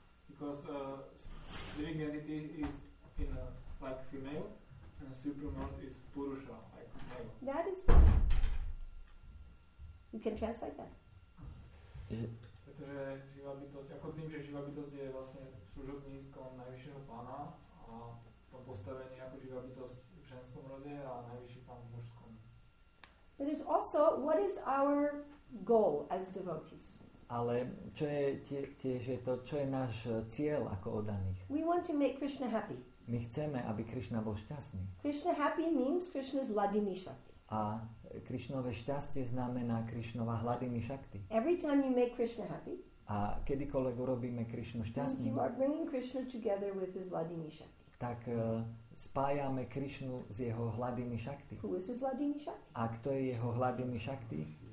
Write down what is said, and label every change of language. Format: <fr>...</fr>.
<en>Because living entity is in a like female and supermod is purusha like male. That is that. You can translate that.</en> <sk>Pretože živá bytosť, ako tým, že živá bytosť je vlastne služobníkom najvyššieho pána a to postavenie ako živá bytosť v ženskom rode a najvyšší pán v mužskom.</sk> <en>But there's also, what is our goal as devotees?</en> <sk>Ale čo je tiež je to, čo je náš cieľ ako oddaných?</sk> <en>We want to make Krishna happy.</en> <sk>My chceme, aby Krishna bol šťastný.</sk> <en>Krishna happy means Krishna's ladini shakti.</en> <sk>A Krishnove šťastie znamená Krishnova hladini shakti.</sk> <en>Every time you make Krishna happy,</en> <sk>a kedykoľvek urobíme Krishnu šťastným,</sk> <en>you are bringing Krishna together with his ladini shakti.</en> <sk>Tak spájame Krishnu s jeho hladini shakti.</sk> <en>Who is his ladini shakti?</en> <sk>A kto je jeho hladini shakti?</sk>